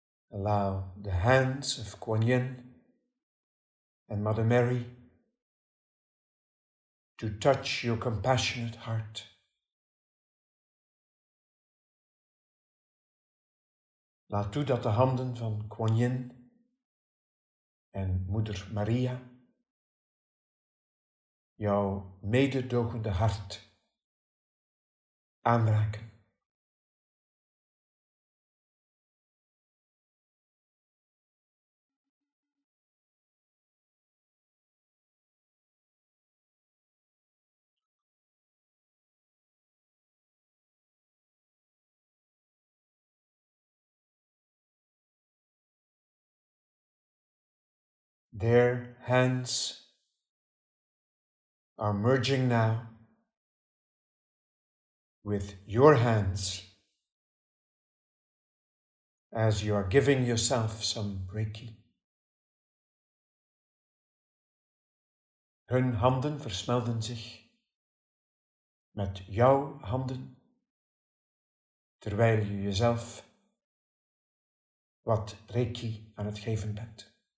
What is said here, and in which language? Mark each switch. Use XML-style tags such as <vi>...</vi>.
<en>Allow the hands of Kuan Yin and Mother Mary to touch your compassionate heart.</en> <nl>Laat toe dat de handen van Kuan Yin en Moeder Maria jouw mededogende hart aanraken.</nl> <en>Their hands are merging now with your hands as you are giving yourself some Reiki.</en> <nl>Hun handen versmelten zich met jouw handen terwijl je jezelf wat Reiki aan het geven bent.</nl>